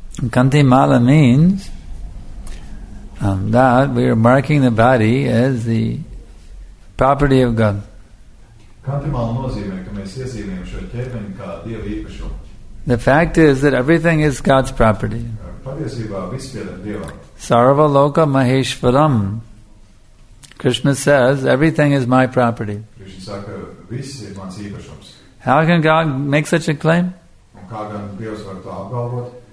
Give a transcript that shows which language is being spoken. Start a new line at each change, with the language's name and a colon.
English: Kantimala means that we are marking the body as the property of God.
Latvian: Kantimāla nozīmē, ka mēs iezīmējam šo ķermeni kā Dieva īpašumu.
English: The fact is that everything is God's property.
Latvian: Patiesībā viss pieder Dievam.
Sanskrit: Sarva loka maheshvaram.
English: Krishna says, everything is my property.
Latvian: Krishna saka, viss ir mans īpašums. How can God make such a claim? Un kā gan Dievs var to apgalvot?